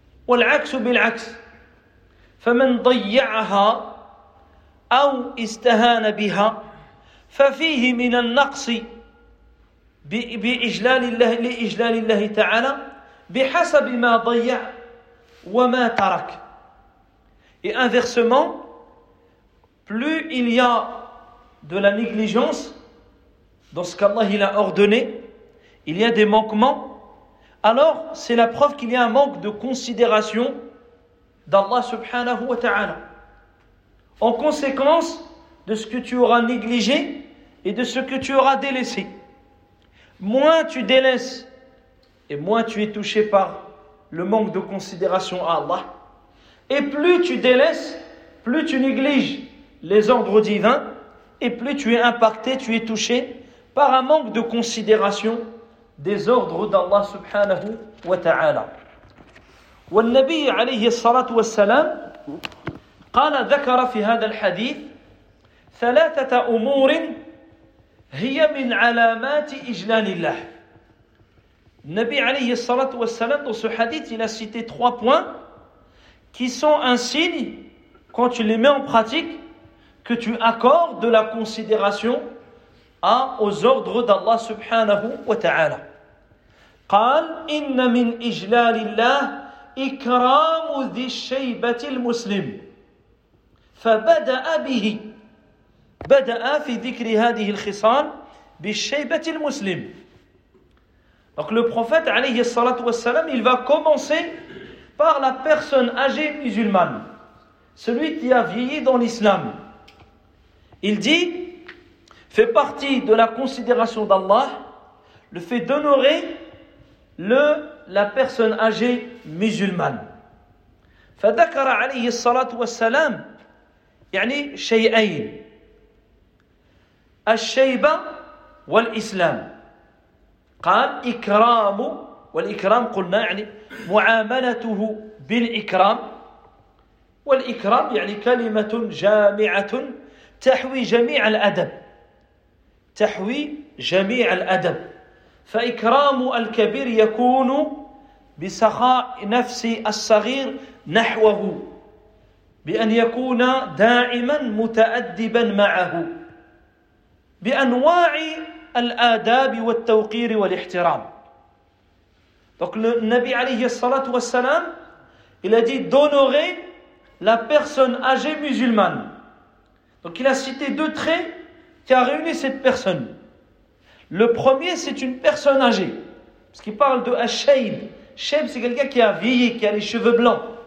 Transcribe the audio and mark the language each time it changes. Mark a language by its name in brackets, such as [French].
[Arabic] والعكس بالعكس فمن ضيعها أو استهان بها ففيه من النقص بإجلال الله لإجلال الله تعالى بحسب ما ضيع وما ترك. [French] Et inversement, plus il y a de la négligence dans ce qu'Allah il a ordonné, il y a des manquements, alors c'est la preuve qu'il y a un manque de considération d'Allah subhanahu wa ta'ala. En conséquence de ce que tu auras négligé et de ce que tu auras délaissé, moins tu délaisses et moins tu es touché par le manque de considération à Allah. Et plus tu délaisses, plus tu négliges les ordres divins et plus tu es impacté, tu es touché par un manque de considération des ordres d'Allah subhanahu wa ta'ala. [Arabic] والنبي عليه الصلاة والسلام قال ذكر في هذا الحديث ثلاثة أمور هي من علامات إجلال الله. النبي عليه الصلاة والسلام [French] dans ce hadith il a cité trois points qui sont un signe quand tu les mets en pratique que tu accordes de la considération aux ordres d'Allah subhanahu wa ta'ala. [Arabic] قال إن من إجلال الله إكرام ذي الشيبة المسلم فبدأ به بدأ في ذكر هذه الخصال بالشيبة المسلم. [French] Donc le prophète عليه الصلاة والسلام il va commencer par la personne âgée musulmane, celui qui a vieilli dans l'islam. Il dit, fait partie de la considération d'Allah le fait d'honorer la personne âgée musulmane. [Arabic] فذكر عليه الصلاة والسلام يعني شيئين الشيبة والإسلام. قال إكرام والإكرام قلنا يعني معاملته بالإكرام والإكرام يعني كلمة جامعة تحوي جميع الأدب تحوي جميع الأدب. فإكرام الكبير يكون بسخاء نفس الصغير نحوه بأن يكون دائما متأدبا معه بأنواع الآداب والتوقير والاحترام. [French] Donc le Nabi عليه الصلاة والسلام il a dit d'honorer la personne âgée musulmane. Donc il a cité deux traits qui a réuni cette personne. Le premier, c'est une personne âgée. Parce qu'il parle de Ash-Shayb. Shayb, c'est quelqu'un qui a vieilli, qui a les cheveux blancs.